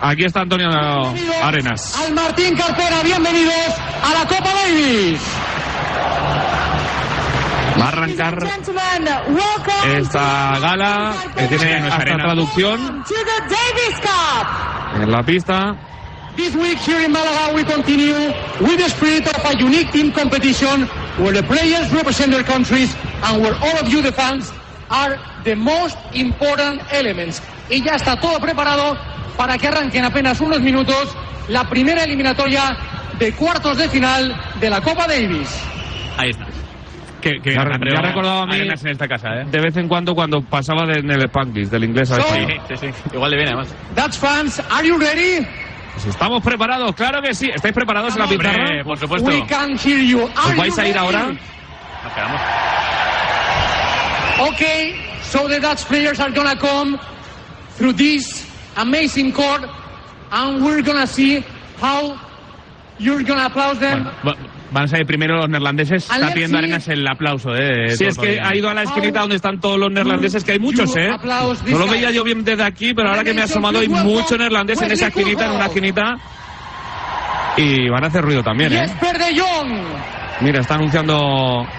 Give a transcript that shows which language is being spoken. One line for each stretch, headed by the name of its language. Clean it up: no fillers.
Spanish: Aquí está Antonio Arenas. Al Martín Carpena, bienvenidos a la Copa Davis. Va a arrancar esta gala que tiene nuestra traducción en la pista.
English: This week here in Malaga we continue with the spirit of a unique team competition where the players represent their countries and where all of you the fans are the most important elements.
Spanish: Y ya está todo preparado para que arranquen apenas unos minutos la primera eliminatoria de cuartos de final de la Copa Davis. Ahí está. Que me ha recordado a mí en esta casa, De vez en cuando pasaba en el Spanglish del inglés al español. Sí, igual le viene además.
English: Dutch fans, are you ready?
Spanish: Pues estamos preparados, claro que sí. ¿Estáis preparados en la pizarra? Por supuesto.
English: We can hear you.
Spanish: ¿Os vais a ir ahora? Nos quedamos.
English: Okay, so the Dutch players are gonna come through this amazing court and we're gonna see how you're gonna applaud them.
Spanish: Van a salir primero los neerlandeses. Está pidiendo Arenas el aplauso. Sí, es que ha ido a la esquinita donde están todos los neerlandeses, que hay muchos,
English: Applause,
Spanish: no lo veía yo bien desde aquí, pero ahora que me he asomado hay mucho neerlandés en esa esquinita, en una esquinita. Y van a hacer ruido también, Jesper de Jong. Mira, está anunciando